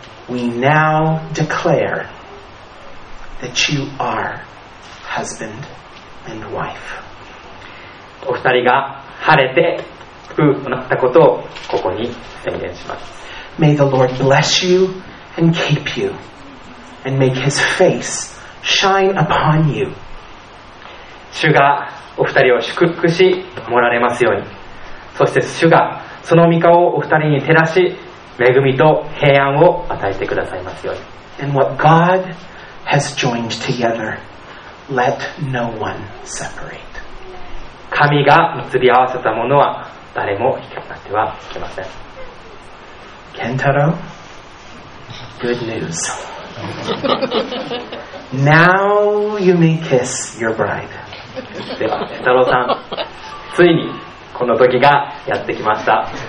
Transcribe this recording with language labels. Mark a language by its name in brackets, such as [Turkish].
[English] We now declare that you are husband and wife. [Japanese] お二人が晴れて夫婦となったことをここに宣言します。 [English] May the Lord bless you and keep you and make his face shine upon you. [Japanese] 主がお二人を祝福し守られますように。そして主がその御顔をお二人に照らし、恵みと平安を与えてくださいますように。 [English] And what God has joined together, let no one separate. [Japanese] 神が結び合わせたものは誰も引き離してはいけません。 [English] Kentaro, good news. Now you may kiss your bride. [Japanese] では、Kentaro さん、ついにこの時がやってきました。